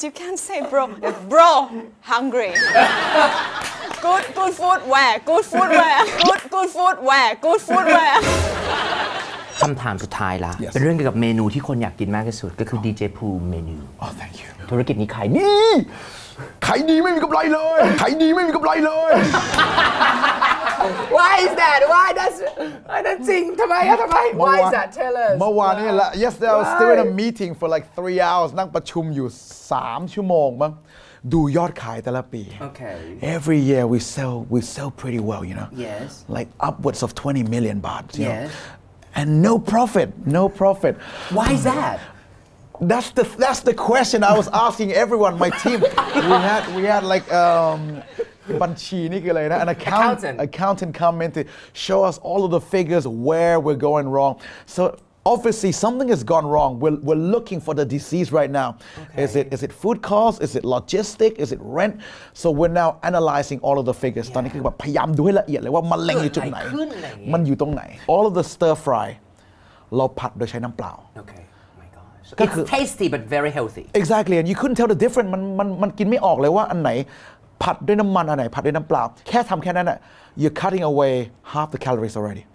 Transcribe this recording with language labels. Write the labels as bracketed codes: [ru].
[en] you can't say bro hungry good food where [th] คำถามสุดท้ายละเป็นเรื่องเกี่ยวกับเมนูที่คนอยากกินมากที่สุดก็คือ DJ Pooh เมนู [en] oh thank you [th] ธุรกิจนี้ขายดี ขายดีไม่มีกำไรเลยขายดีไม่มีกำไรเลย [en] Why is that Why that [th] จริงทำไมอะทำไม [en] Why is that Tell us [th] เมื่อวานนี้แหละ [en] Yesterday I was still in a meeting for like 3 hours [th] นั่งประชุมอยู่3ชั่วโมงมั้งดูยอดขายแต่ละปี [en] Okay Every year we sell pretty well you know Yes Like upwards of 20 million baht Yes And no profit Why is that That's the question I was asking everyone, my team. We had like [th] บัญชีนี่คืออะไรนะ [en] an accountant come in to show us all of the figures where we're going wrong. So obviously something has gone wrong. We're looking for the disease right now. Okay. Is it food cost? Is it logistic? Is it rent? So we're now analyzing all of the figures. [th] ตอนนี้คือแบบพยายามดูให้ละเอียดเลยว่ามะเร็งอยู่ตรงไหนมันอยู่ตรงไหน [en] All of the stir fry [th] เราผัดโดยใช้น้ำเปล่า [en] Okay. It's tasty but very healthy. Exactly, and you couldn't tell the difference. [th] มันกินไม่ออกเลยว่าอันไหนผัดด้วยน้ำมันอันไหนผัดด้วยน้ำเปล่าแค่ทำแค่นั้นอ่ะ [en] you're cutting away half the calories already.